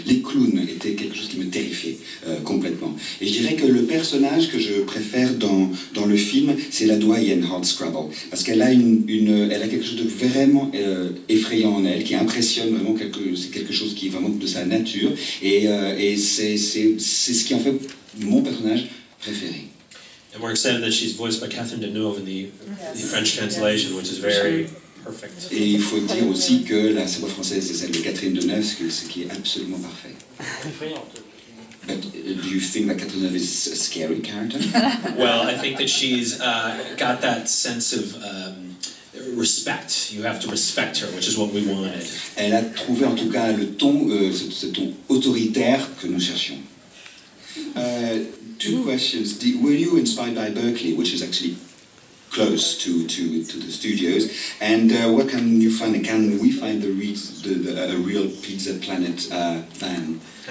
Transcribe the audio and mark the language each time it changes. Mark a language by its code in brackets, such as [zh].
[fr] Les clowns étaient quelque chose qui me terrifiait complètement. Et je dirais que le personnage que je préfère dans le film, c'est la doyenne Hardscrabble, parce qu'elle a elle a quelque chose de vraiment effrayant en elle, qui impressionne vraiment c'est quelque chose qui est vraiment de sa nature, et c'est ce qui en fait mon personnage préféré. [en] And we're excited that she's voiced by Catherine Deneuve in the French translation, which is very perfect. [fr] Et il faut dire aussi que la voix française est celle de Catherine Deneuve, ce qui est absolument parfait. [en] But do you think that Catherine Deneuve is a scary character? Well, I think that she's got that sense of respect. You have to respect her, which is what we wanted. [fr] Elle a trouvé en tout cas le ton, ce ton autoritaire que nous cherchions. [en] Two questions. Were you inspired by Berkeley, which is actually close to the studios, and what can you find? Can we find a real Pizza Planet van?